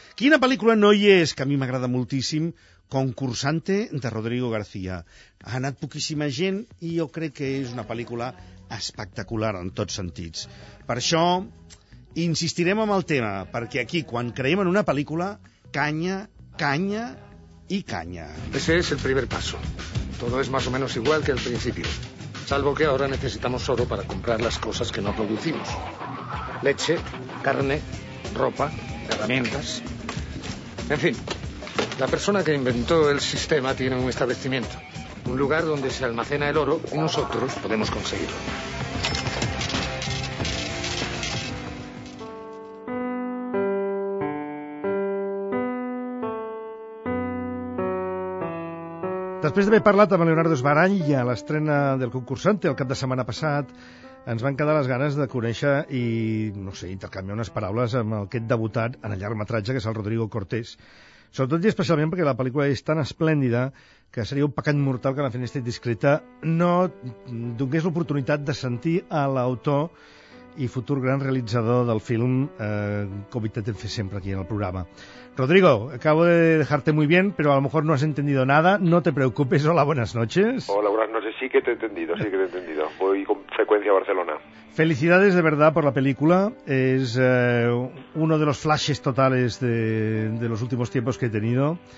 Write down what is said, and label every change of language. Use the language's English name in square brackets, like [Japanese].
[Catalan] Quina pel·lícula no hi és que a mi m'agrada moltíssim? [Spanish] Concursante de Rodrigo García. [Catalan] Ha anat poquíssima gent i jo crec que és una pel·lícula espectacular en tots sentits. Per això... Insistirem en el tema, perquè aquí, quan creiem en una pel·lícula, canya, canya i canya. [Spanish] Ese es el primer paso. Todo es más o menos igual que al principio. Salvo que ahora necesitamos oro para comprar las cosas que no producimos. Leche, carne, ropa, herramientas... En fin, la persona que inventó el sistema tiene un establecimiento. Un lugar donde se almacena el oro y nosotros podemos conseguirlo. [Catalan] Després d'haver parlat amb Leonardo Sbaraglia a l'estrena del Concursante el cap de setmana passat, ens van quedar les ganes de conèixer i, no sé, intercanviar unes paraules amb aquest debutat en el llargmetratge, que és el Rodrigo Cortés. Sobretot i especialment perquè la pel·lícula és tan esplèndida que seria un pecat mortal que la Finestra Indiscreta no donés l'oportunitat de sentir a l'autor i futur gran realitzador del film, com intentem fer sempre aquí en el programa. [Spanish] Rodrigo, acabo de dejarte muy bien, pero a lo mejor no has entendido nada. No te preocupes. Hola, buenas noches. Hola, buenas noches. Sí que te he entendido. Voy con frecuencia a Barcelona. Felicidades de verdad por la película. Es uno de los flashes totales de los últimos tiempos que he tenido.